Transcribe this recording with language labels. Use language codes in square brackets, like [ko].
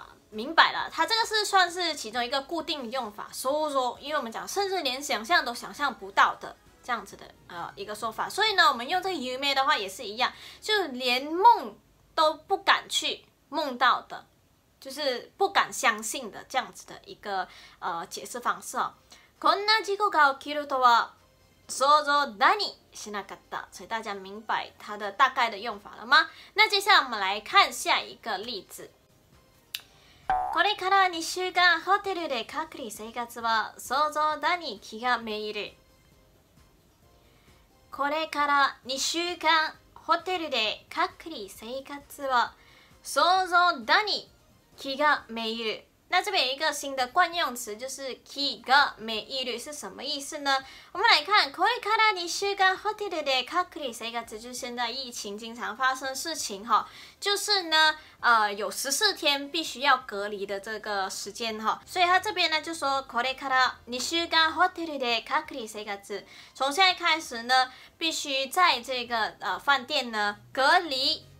[zh] 明白了，它这个是算是其中一个固定用法，说说，因为我们讲甚至连想象都想象不到的这样子的一个说法，所以呢，我们用这个有夢的话也是一样，就连梦都不敢去梦到的，就是不敢相信的这样子的一个解释方式。 [ja] こんな事故が起きるとは想像何しなかった， [zh] 所以大家明白它的大概的用法了吗？那接下来我们来看下一个例子。 [ja] これから2週間ホテルで隔離生活は想像だに気がめいる。これから2週間ホテルで隔離生活は想像だに気がめいる。 [zh] 那这边有一个新的惯用词，就是気がめいる是什么意思呢？我们来看， [ja] これから2週間ホテルで隔離生活， [zh] 就是现在疫情经常发生事情哈，就是呢，有14天必须要隔离的这个时间哈，所以他这边呢就说これから2週間ホテルで隔離生活，从现在开始呢，必须在这个饭店呢隔离。